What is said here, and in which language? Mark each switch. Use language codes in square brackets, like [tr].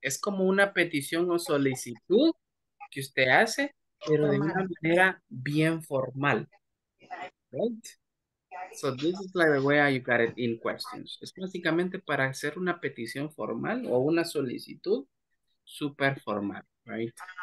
[es] Es como una petición o solicitud que usted hace, pero de una manera bien formal. [en] Right? So this is like the way you got it in questions. [es] Es básicamente para hacer una petición formal o una solicitud super formal, right?